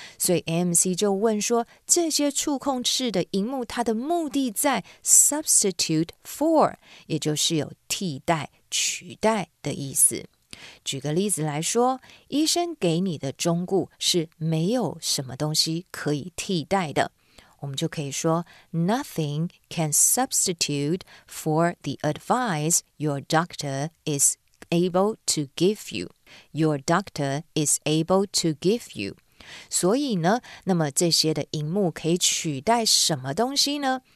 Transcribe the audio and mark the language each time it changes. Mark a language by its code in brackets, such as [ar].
[zh] 所以 AMC 就问说，这些触控式的荧幕它的目的在 substitute for, 也就是有替代、取代的意思。举个例子来说，医生给你的忠告是没有什么东西可以替代的。我们就可以说 [en] Nothing can substitute for the advice your doctor is able to give you. Your doctor is able to give you. [zh] 所以呢，那么这些的荧幕可以取代什么东西呢？